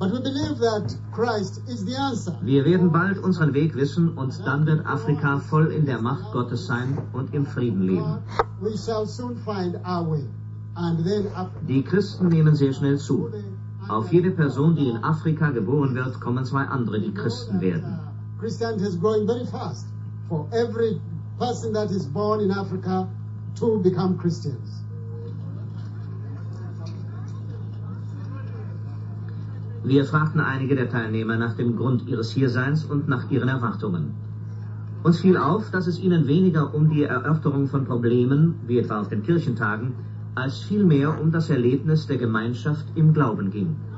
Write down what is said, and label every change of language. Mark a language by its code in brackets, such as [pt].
[de] Wir werden bald unseren Weg wissen und dann wird Afrika voll in der Macht Gottes sein und im Frieden leben. Die Christen nehmen sehr schnell zu. Auf jede Person, die in Afrika geboren wird, kommen zwei andere, die Christen werden. [en] Christianity is growing very fast. For every person that is born in Africa to become Christians. [de] Wir fragten einige der Teilnehmer nach dem Grund ihres Hierseins und nach ihren Erwartungen. Uns fiel auf, dass es ihnen weniger um die Erörterung von Problemen, wie etwa auf den Kirchentagen, als vielmehr um das Erlebnis der Gemeinschaft im Glauben ging.